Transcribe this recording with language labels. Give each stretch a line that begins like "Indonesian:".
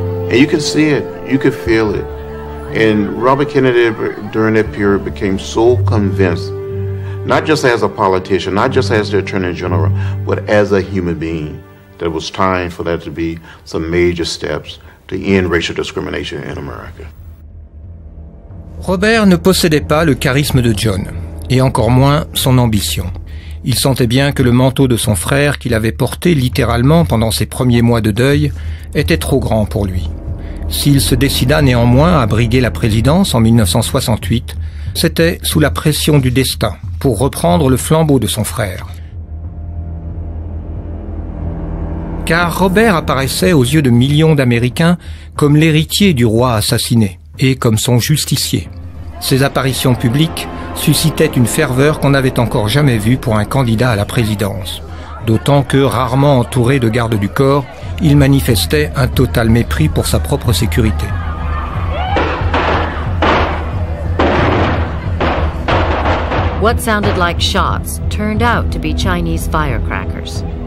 English: And you can see it, you can feel it. And Robert Kennedy, during that period, became so convinced, not just as a politician, not just as the Attorney General, but as a human being, that it was time for that to be some major steps to end racial discrimination in America.
French: Robert ne possédait pas le charisme de John, et encore moins son ambition. Il sentait bien que le manteau de son frère, qu'il avait porté littéralement pendant ses premiers mois de deuil, était trop grand pour lui. S'il se décida néanmoins à briguer la présidence en 1968, c'était sous la pression du destin, pour reprendre le flambeau de son frère. Car Robert apparaissait aux yeux de millions d'Américains comme l'héritier du roi assassiné et comme son justicier. Ses apparitions publiques suscitaient une ferveur qu'on n'avait encore jamais vue pour un candidat à la présidence. D'autant que, rarement entouré de gardes du corps, il manifestait un total mépris pour sa propre sécurité.
English: What sounded like shots turned out to be Chinese firecrackers.